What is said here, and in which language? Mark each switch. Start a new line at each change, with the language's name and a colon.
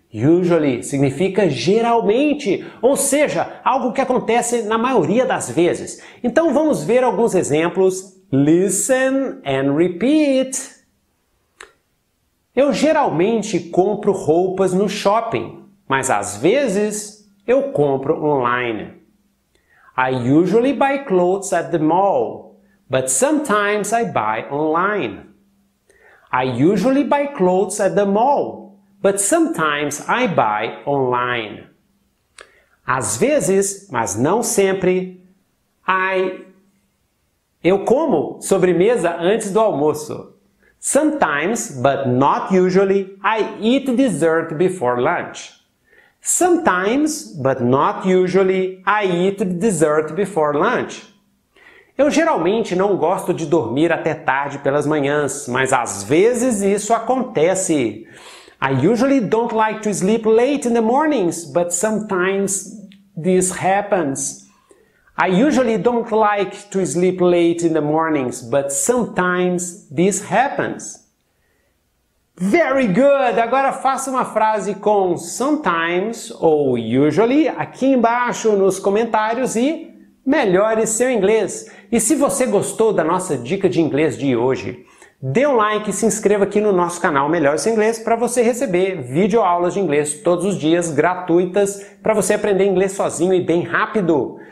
Portuguese: Usually significa geralmente, ou seja, algo que acontece na maioria das vezes. Então vamos ver alguns exemplos.
English: Listen and repeat.
Portuguese: Eu geralmente compro roupas no shopping, mas às vezes eu compro online.
English: I usually buy clothes at the mall, but sometimes I buy online. I usually buy clothes at the mall, but sometimes I buy online.
Portuguese: Às vezes, mas não sempre, Eu como sobremesa antes do almoço.
English: Sometimes, but not usually, I eat dessert before lunch. Sometimes, but not usually, I eat dessert before lunch.
Portuguese: Eu geralmente não gosto de dormir até tarde pelas manhãs, mas às vezes isso acontece.
English: I usually don't like to sleep late in the mornings, but sometimes this happens. I usually don't like to sleep late in the mornings, but sometimes this happens. Very good!
Portuguese: Agora faça uma frase com sometimes ou usually aqui embaixo nos comentários e melhore seu inglês. E se você gostou da nossa dica de inglês de hoje, dê um like e se inscreva aqui no nosso canal Melhore Seu Inglês para você receber videoaulas de inglês todos os dias gratuitas para você aprender inglês sozinho e bem rápido.